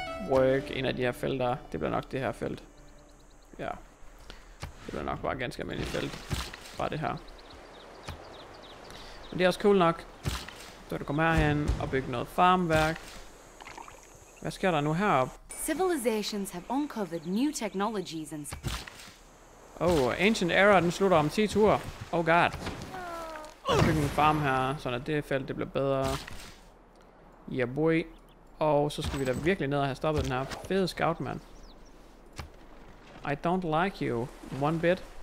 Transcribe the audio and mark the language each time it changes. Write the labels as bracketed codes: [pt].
[da] Work en af de her felter. Det bliver nok det her felt. Ja. Det bliver nok bare ganske almindeligt felt. Bare det her. Men det er også cool nok. Så du kommer herhen og bygger noget farmværk. Hvad sker der nu heroppe? [en] Civilizations have uncovered new technologies and... [da] Oh, Ancient Era, den slutter om 10 ture. Oh god. Jeg skal bygge en farm her, sådan at det felt det bliver bedre. Yeah boy. Og så skal vi da virkelig ned og have stoppet den her fede scout, man. [en] I don't like you one bit.